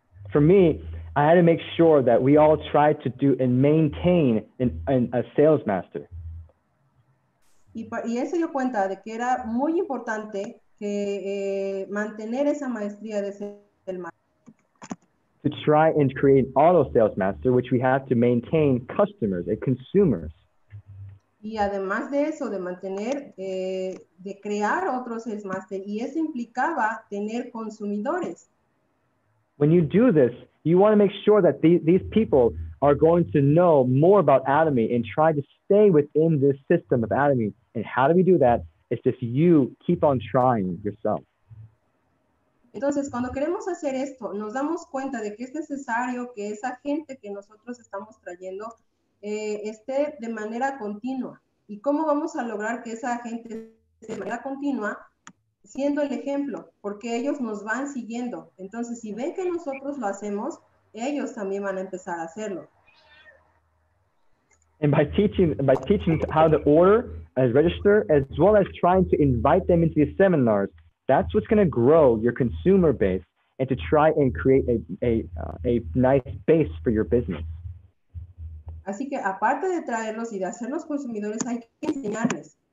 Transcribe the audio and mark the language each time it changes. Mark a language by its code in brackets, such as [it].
[en] For me, I had to make sure that we all try to do and maintain a sales master. [es] Y él se dio cuenta de que era muy importante que mantener esa maestría de sales master. [en] To try and create an auto sales master, which we have to maintain customers and consumers. [es] Y además de eso, de mantener, de crear otro sales master, y eso implicaba tener consumidores. [en] When you do this, you want to make sure that these people are going to know more about Atomy and try to stay within this system of Atomy. And how do we do that? It's just you keep on trying yourself. [es] Entonces, cuando queremos hacer esto, nos damos cuenta de que es necesario que esa gente que nosotros estamos trayendo esté de manera continua. ¿Y cómo vamos a lograr que esa gente esté de manera continua? Siendo el ejemplo, porque ellos nos van siguiendo. Entonces, si ven que nosotros lo hacemos, ellos también van a empezar a hacerlo. [en] And by teaching how to order and register, as well as trying to invite them into the seminars, that's what's going to grow your consumer base and to try and create a nice base for your business. [es] Así que aparte de traerlos y de hacerlos consumidores, hay que enseñarles